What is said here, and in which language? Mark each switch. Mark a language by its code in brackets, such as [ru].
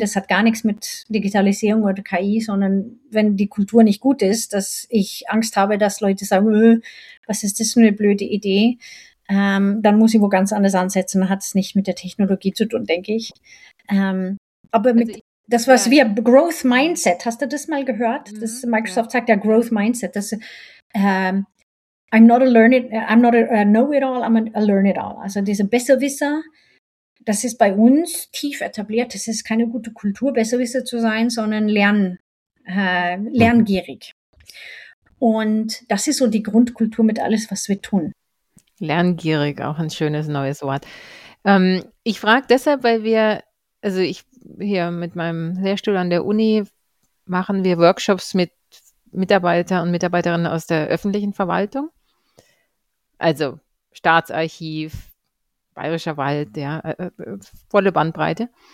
[de] Das hat gar nichts mit Digitalisierung oder KI, sondern wenn die Kultur nicht gut ist, dass ich Angst habe, dass Leute sagen, was ist das für eine blöde Idee? Dann muss ich wo ganz anders ansetzen. Dann hat es nicht mit der Technologie zu tun, denke ich. Aber mit das, was wir Growth Mindset, hast du das mal gehört? Mhm. Das Microsoft sagt ja Growth Mindset. [en] Das I'm not a know-it-all, I'm a learn-it-all. [de] Also diese Besserwisser, das ist bei uns tief etabliert. Das ist keine gute Kultur, Besserwisser zu sein, sondern lerngierig. Und das ist so die Grundkultur mit alles, was wir tun. Lerngierig, auch ein schönes neues Wort. Ich frage deshalb, weil wir, also ich hier mit meinem Lehrstuhl an der Uni, machen wir Workshops mit Mitarbeiter und Mitarbeiterinnen aus der öffentlichen Verwaltung, also Staatsarchiv, Bayerischer Wald, ja, volle Bandbreite.